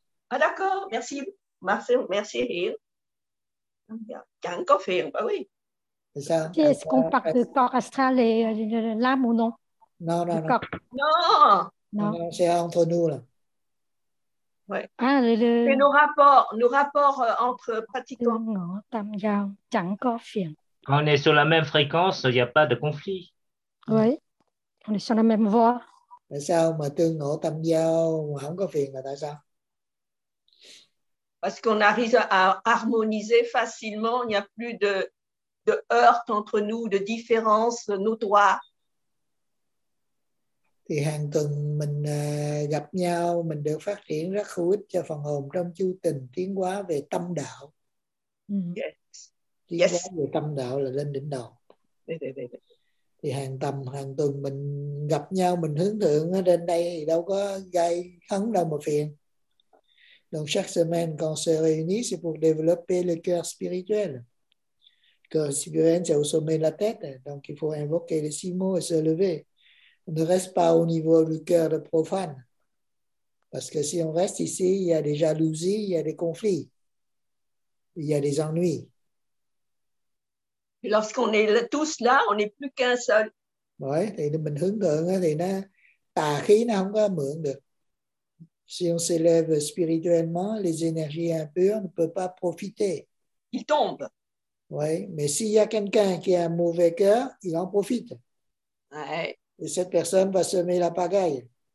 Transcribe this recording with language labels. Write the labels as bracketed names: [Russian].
[French] Ah, d'accord. Merci. Merci, Hill. [Vietnamese] Chẳng có phiền. [French] Bah oui. C'est ça. Est-ce qu'on parle de corps astral et l'âme ou non? Non. C'est entre nous, là. Ouais. Ah, le... C'est nos rapports entre pratiquants. [Vietnamese] Ngô, tam giao, chẳng có phiền. [French] On est sur la même fréquence, il n'y a pas de conflit. Oui, on est sur la même voie. [Vietnamese] Tại sao mà tương ngộ tâm giao mà không có phiền là tại sao? [French] Parce qu'on arrive à harmoniser facilement, il n'y a plus de heurte entre nous, de différence notoire. [Vietnamese] Thì hàng tuần mình gặp nhau, mình được phát triển rất hữu ích cho phần hồn trong chu trình tiến hóa về tâm đạo. [English] Yes. Tiến [Vietnamese] hóa về tâm đạo là lên đỉnh đầu. Thì hàng tuần mình gặp nhau, mình hướng thượng ở trên đây thì đâu có gây hấn đâu mà phiền. [French] Donc chaque semaine, quand on se réunit, c'est pour développer le cœur spirituel. Cœur spirituel, c'est au sommet de la tête. Donc il faut invoquer les six mots et se lever. On ne reste pas au niveau du cœur de profane. Parce que si on reste ici, il y a des jalousies, il y a des conflits. Il y a des ennuis. Lorsqu'on est tous là, on n'est plus qu'un seul. [Vietnamese] Ouais, thì mình hướng thượng thì nó tà khí nó không có mượn được. [French] Si on s'élève spirituellement, les énergies impures ne peuvent pas profiter. Ils tombent. Ouais, mais s'il y a quelqu'un qui a un mauvais cœur, il en profite. Ouais. Et cette personne va semer la pagaille.